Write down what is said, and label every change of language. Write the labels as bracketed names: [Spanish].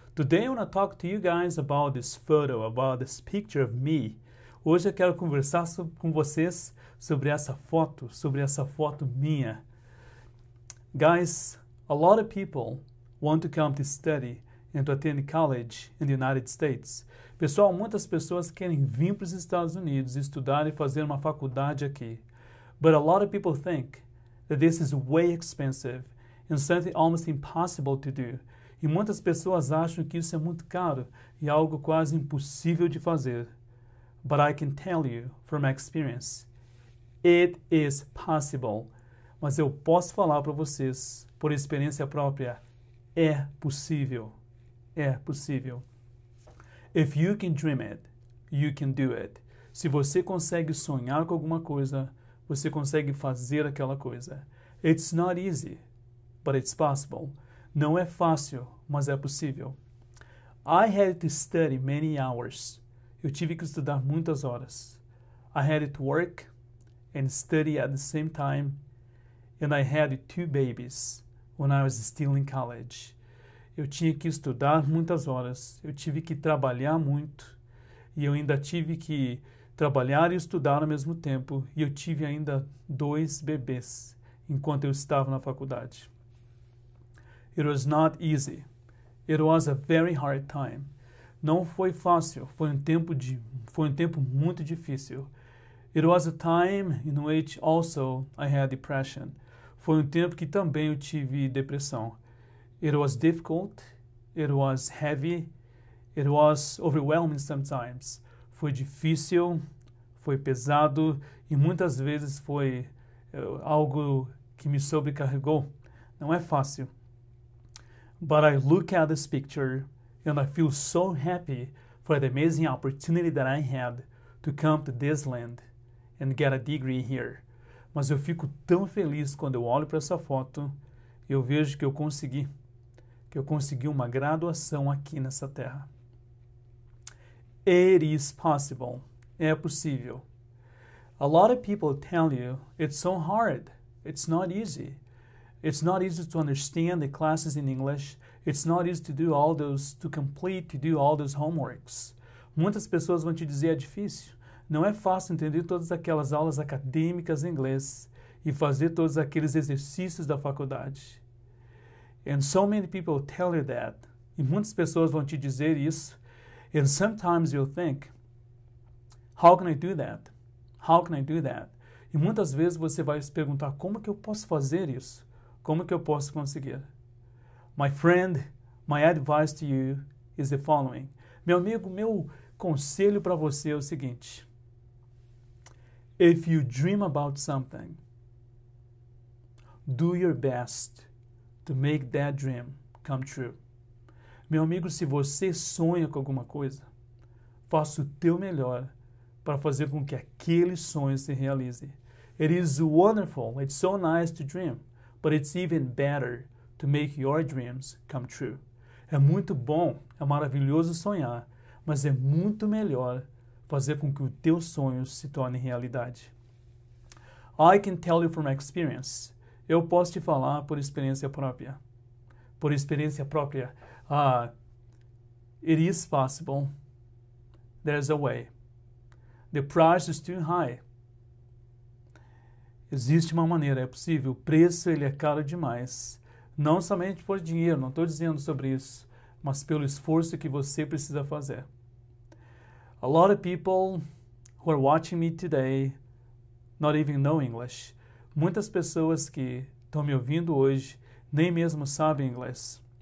[English] Today, I want to talk to you guys about this photo, about this picture of me. [Portuguese] Hoje, eu quero conversar com vocês sobre essa foto minha. [English] Guys, a lot of people want to come to study and to attend college in the United States. [Portuguese] Pessoal, muitas pessoas querem vir para os Estados Unidos estudar e fazer uma faculdade aqui. [English] But a lot of people think that this is way expensive and something almost impossible to do. [Portuguese] E muitas pessoas acham que isso é muito caro e algo quase impossível de fazer. [English] But I can tell you from my experience, it is possible. [Portuguese] Mas eu posso falar para vocês, por experiência própria, é possível. É possível. [English] If you can dream it, you can do it. [Portuguese] Se você consegue sonhar com alguma coisa, você consegue fazer aquela coisa. [English] It's not easy, but it's possible. [Portuguese] Não é fácil, mas é possível. [English] I had to study many hours. [Portuguese] Eu tive que estudar muitas horas. [English] I had to work and study at the same time. And I had two babies when I was still in college. [Portuguese] Eu tinha que estudar muitas horas, eu tive que trabalhar muito, e eu ainda tive que trabalhar e estudar ao mesmo tempo, e eu tive ainda dois bebês enquanto eu estava na faculdade. [English] It was not easy. It was a very hard time. [Portuguese] Não foi fácil, foi um tempo muito difícil. [English] It was a time in which also I had depression. [Portuguese] Foi um tempo que também eu tive depressão. [English] It was difficult, it was heavy, it was overwhelming sometimes. [Portuguese] Foi difícil, foi pesado e muitas vezes foi algo que me sobrecarregou. Não é fácil. [English] But I look at this picture and I feel so happy for the amazing opportunity that I had to come to this land and get a degree here. [Portuguese] Mas eu fico tão feliz quando eu olho para essa foto e eu vejo que eu consegui. Eu consegui uma graduação aqui nessa terra. [English] It is possible. [Portuguese] É possível. [English] A lot of people tell you it's so hard. It's not easy. It's not easy to understand the classes in English. It's not easy to do all those, to complete, to do all those homeworks. [Portuguese] Muitas pessoas vão te dizer é difícil. Não é fácil entender todas aquelas aulas acadêmicas em inglês e fazer todos aqueles exercícios da faculdade. [English] And so many people tell you that. [Portuguese] E muitas pessoas vão te dizer isso. [English] And sometimes you'll think, how can I do that? How can I do that? [Portuguese] E muitas vezes você vai se perguntar, como que eu posso fazer isso? Como que eu posso conseguir? [English] My friend, my advice to you is the following. [Portuguese] Meu amigo, meu conselho para você é o seguinte. [English] If you dream about something, do your best to make that dream come true. [Portuguese] Meu amigo, se você sonha com alguma coisa, faça o teu melhor para fazer com que aquele sonho se realize. [English] It is wonderful, it's so nice to dream, but it's even better to make your dreams come true. [Portuguese] É muito bom, é maravilhoso sonhar, mas é muito melhor fazer com que o teu sonho se torne realidade. [English] I can tell you from experience. [Portuguese] Eu posso te falar por experiência própria. Por experiência própria. [English] It is possible. There's a way. The price is too high. [Portuguese] Existe uma maneira, é possível. O preço, ele é caro demais. Não somente por dinheiro, não estou dizendo sobre isso, mas pelo esforço que você precisa fazer. [English] A lot of people who are watching me today not even know English. [Portuguese] Muitas pessoas que estão me ouvindo hoje nem mesmo sabem inglês.